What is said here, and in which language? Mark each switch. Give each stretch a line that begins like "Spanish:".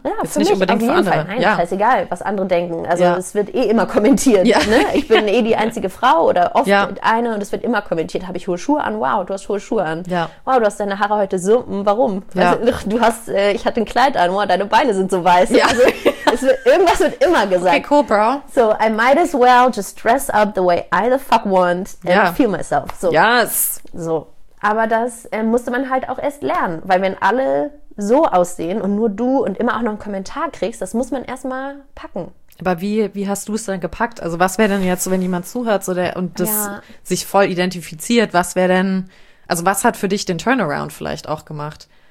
German: Ja, jetzt für nicht mich, unbedingt auf jeden für andere. Fall. Nein, scheißegal, was andere denken. Also es wird eh immer kommentiert. Ja. Ne? Ich bin eh die einzige Frau oder oft eine und es wird immer kommentiert. Habe ich hohe Schuhe an? Wow, du hast hohe Schuhe an. Ja. Wow, du hast deine Haare heute so, warum? Ja. Also, du hast, ich hatte ein Kleid an, wow, deine Beine sind so weiß. Ja. Also, irgendwas wird immer gesagt.
English: Okay, cool, bro. So, I might as well just dress up the way I the fuck want and feel myself. So. Yes. So.
German: Aber das musste man halt auch erst lernen, weil wenn alle so aussehen und nur du und immer auch noch einen Kommentar kriegst, das muss man erstmal packen. Aber wie hast du es dann gepackt? Also was wäre denn jetzt, wenn jemand zuhört so der, und das sich voll identifiziert, was wäre denn, also was hat für dich den Turnaround vielleicht auch gemacht?